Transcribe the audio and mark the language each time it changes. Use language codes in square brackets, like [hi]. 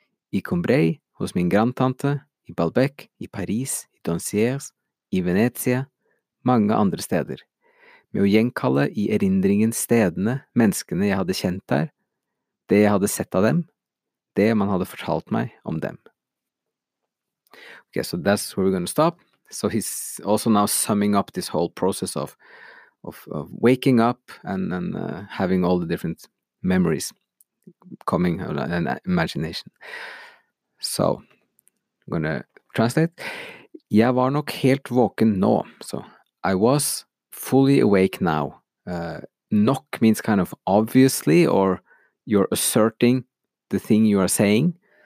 [no] I Combray, hos min grandtante, i Balbec, i Paris, i Danciers, i Venezia, mange andre steder, med å gjenkalle i erindringen stedene, menneskene jeg hadde kjent der, det jeg hadde sett av dem, det man hadde fortalt meg om dem. [en] Okay, so that's where we're going to stop. So he's also now summing up this whole process of waking up and having all the different memories coming and imagination. So, I'm gonna translate. [no] Jeg var nok helt våken nå. [en] So, I was fully awake now. Nok means kind of obviously, or you're asserting the thing you are saying.